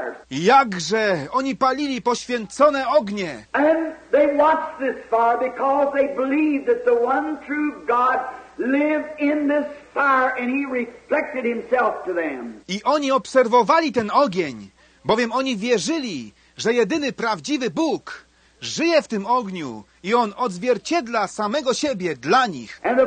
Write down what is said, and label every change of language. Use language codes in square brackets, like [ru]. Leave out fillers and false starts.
[pl] Jakże oni palili poświęcone ognie. [en] And they watched this fire because they believed that the one true God lived in this fire and he reflected himself to them. [pl] I oni obserwowali ten ogień, bowiem oni wierzyli, że jedyny prawdziwy Bóg żyje w tym ogniu i on odzwierciedla samego siebie dla nich.